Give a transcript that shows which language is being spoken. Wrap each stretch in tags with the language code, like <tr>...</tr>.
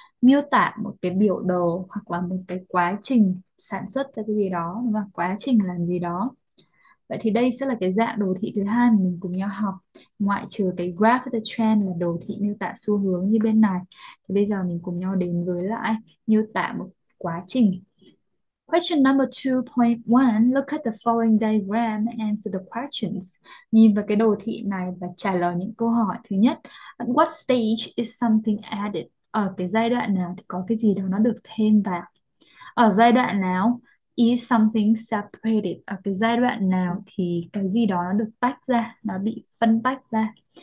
<vi>Miêu tả một cái biểu đồ hoặc là một cái quá trình sản xuất ra cái gì đó, và quá trình làm gì đó. Vậy thì đây sẽ là cái dạng đồ thị thứ hai mà mình cùng nhau học, ngoại trừ cái graph the trend là đồ thị miêu tả xu hướng như bên này. Thì bây giờ mình cùng nhau đến với lại miêu tả một quá trình.</vi> <en>Question number 2.1. Look at the following diagram and answer the questions.</en> <vi>Nhìn vào cái đồ thị này và trả lời những câu hỏi. Thứ nhất,</vi> <en>what stage is something added?</en> <vi>Ở cái giai đoạn nào thì có cái gì đó nó được thêm vào? Ở giai đoạn nào</vi> <en>is something separated?</en> <vi>Ở cái giai đoạn nào thì cái gì đó nó được tách ra, nó bị phân tách ra?</vi>